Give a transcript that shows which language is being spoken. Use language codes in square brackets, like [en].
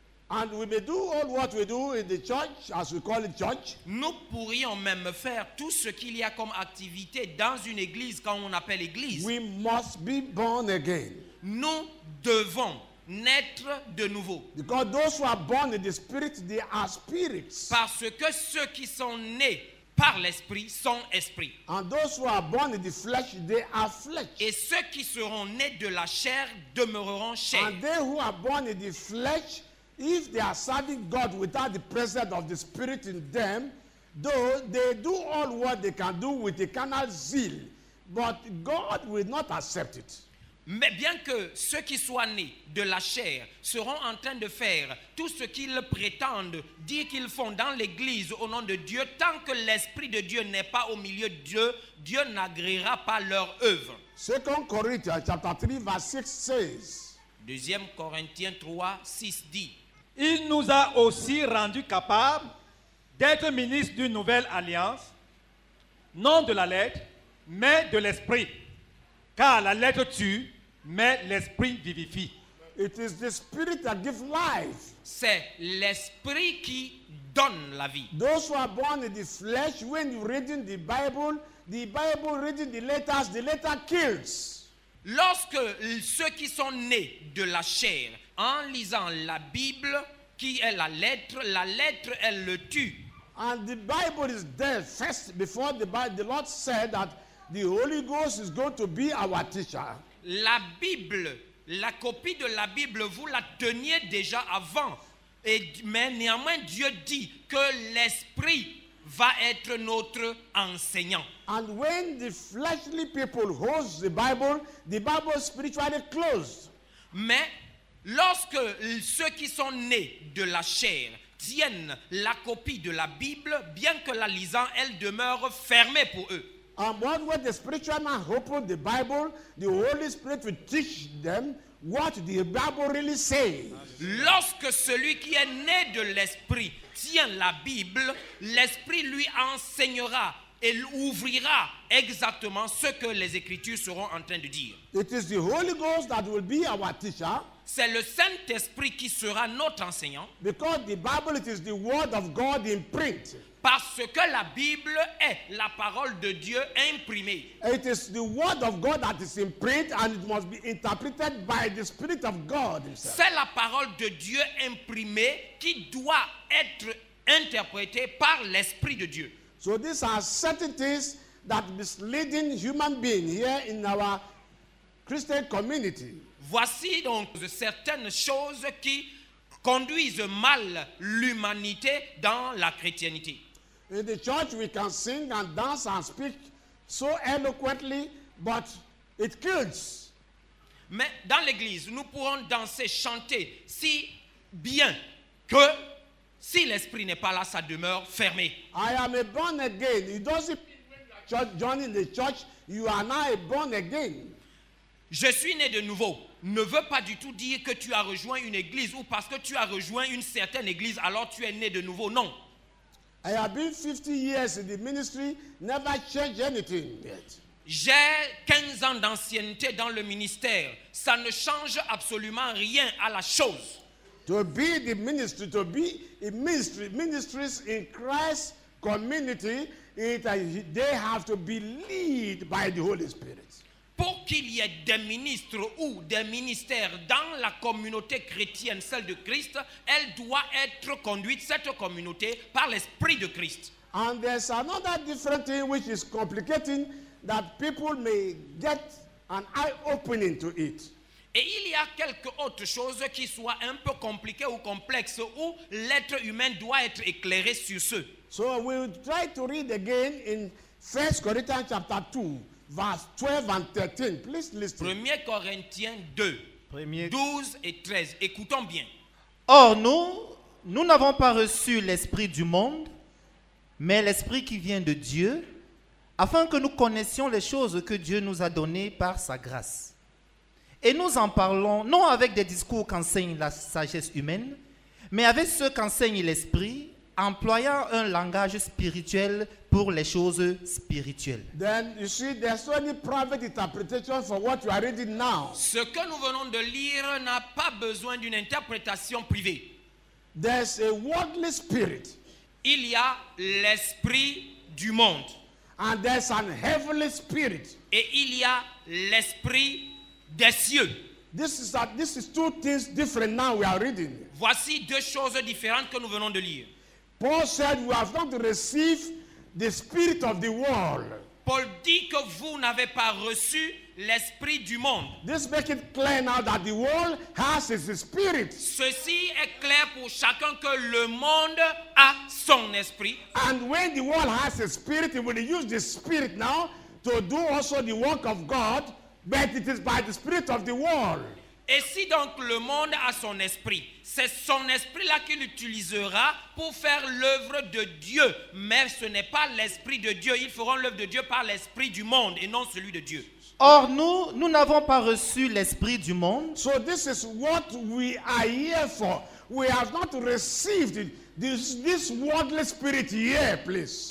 [en] And we may do all what we do in the church, as we call it church. [fr] Nous pourrions même faire tout ce qu'il y a comme activité dans une église, quand on appelle église. [en] We must be born again. [fr] Nous devons naître de nouveau. [en] Because those who are born in the spirit, they are spirits. [fr] Parce que ceux qui sont nés par l'esprit sont esprit. [en] And those who are born in the flesh, they are flesh. [fr] Et ceux qui seront nés de la chair demeureront chair. [en] And they who are born in the flesh, if they are serving God without the presence of the Spirit in them, though they do all what they can do with a carnal zeal, but God will not accept it. [fr] Mais bien que ceux qui soient nés de la chair seront en train de faire tout ce qu'ils prétendent dire qu'ils font dans l'église au nom de Dieu, tant que l'Esprit de Dieu n'est pas au milieu de Dieu, Dieu n'agréera pas leur œuvre. 2 Corinthiens chapitre 3 verset 6 [en] says. [fr] 2 Corinthiens 3, 6 dit. Il nous a aussi rendus capables d'être ministres d'une nouvelle alliance, non de la lettre, mais de l'Esprit. Car la lettre tue, mais l'esprit vivifie. [en] It is the spirit that gives life. [fr] C'est l'esprit qui donne la vie. [en] Those who are born in the flesh, when you read in the Bible reading the letter kills. [fr] Lorsque ceux qui sont nés de la chair, en lisant la Bible, qui est la lettre elle le tue. [en] And the Bible is there first before the Lord said that. The Holy Ghost is going to be our teacher. [fr] La Bible, la copie de la Bible, vous la teniez déjà avant. Mais néanmoins, Dieu dit que l'Esprit va être notre enseignant. [en] And when the fleshly people hold the Bible is spiritually closed. [fr] Mais lorsque ceux qui sont nés de la chair tiennent la copie de la Bible, bien que la lisant, elle demeure fermée pour eux. [en] And one way the spiritual man opens the Bible, the Holy Spirit will teach them what the Bible really says. [fr] Lorsque celui qui est né de l'esprit tient la Bible, l'esprit lui enseignera et ouvrira exactement ce que les Écritures seront en train de dire. [en] It is the Holy Ghost that will be our teacher. [fr] C'est le Saint-Esprit qui sera notre enseignant. [en] Because the Bible it is the word of God in print. [fr] Parce que la Bible est la parole de Dieu imprimée. [en] It is the word of God that is in print and it must be interpreted by the Spirit of God himself. [fr] C'est la parole de Dieu imprimée qui doit être interprétée par l'Esprit de Dieu. [en] So these are certain things that misleading human beings here in our Christian community. [fr] Voici donc certaines choses qui conduisent mal l'humanité dans la chrétienté. [en] In the church, we can sing and dance and speak so eloquently, but it kills. [fr] Mais dans l'église, nous pourrons danser, chanter si bien que si l'esprit n'est pas là, ça demeure fermé. [en] I am a born again. It doesn't mean when you are joining the church, you are now a born again. [fr] Je suis né de nouveau. Ne veut pas du tout dire que tu as rejoint une église ou parce que tu as rejoint une certaine église, alors tu es né de nouveau. Non. [en] I have been 50 years in the ministry, never changed anything yet. [fr] J'ai 15 ans d'ancienneté dans le ministère. Ça ne change absolument rien à la chose. [en] To be the ministry, to be a ministry, ministries in Christ's community, they have to be led by the Holy Spirit. [fr] Pour qu'il y ait des ministres ou des ministères dans la communauté chrétienne, celle de Christ, elle doit être conduite, cette communauté, par l'Esprit de Christ. [en] And there's another different thing which is complicating that people may get an eye-opening to it. [fr] Et il y a quelque autre chose qui soit un peu compliquée ou complexe où l'être humain doit être éclairé sur ce. [en] So we'll try to read again in 1 Corinthians chapter 2. Verse 12 and 13. Please listen. [fr] 1 Corinthiens 2, 12 et 13. Écoutons bien. Or nous n'avons pas reçu l'esprit du monde, mais l'esprit qui vient de Dieu, afin que nous connaissions les choses que Dieu nous a données par sa grâce. Et nous en parlons, non avec des discours qu'enseigne la sagesse humaine, mais avec ceux qu'enseigne l'esprit, employant un langage spirituel pour les choses spirituelles. [en] Then you see, there's only private interpretation for what you are reading now. [fr] Ce que nous venons de lire n'a pas besoin d'une interprétation privée. [en] There's a worldly spirit. [fr] Il y a l'esprit du monde. [en] And there's an heavenly spirit. [fr] Et il y a l'esprit des cieux. [en] This is two things different now we are reading. [fr] Voici deux choses différentes que nous venons de lire. [en] Paul said, "We have not received the spirit of the world." [fr] Paul dit que vous n'avez pas reçu l'esprit du monde. [en] This makes it clear now that the world has its spirit. [fr] Ceci est clair pour chacun que le monde a son esprit. [en] And when the world has its spirit, it will use the spirit now to do also the work of God, but it is by the spirit of the world. [fr] Et si donc le monde a son esprit, c'est son esprit là qu'il utilisera pour faire l'œuvre de Dieu. Mais ce n'est pas l'esprit de Dieu. Ils feront l'œuvre de Dieu par l'esprit du monde et non celui de Dieu. Or nous n'avons pas reçu l'esprit du monde. [en] So this is what we are here for. We have not received this worldly spirit here, please.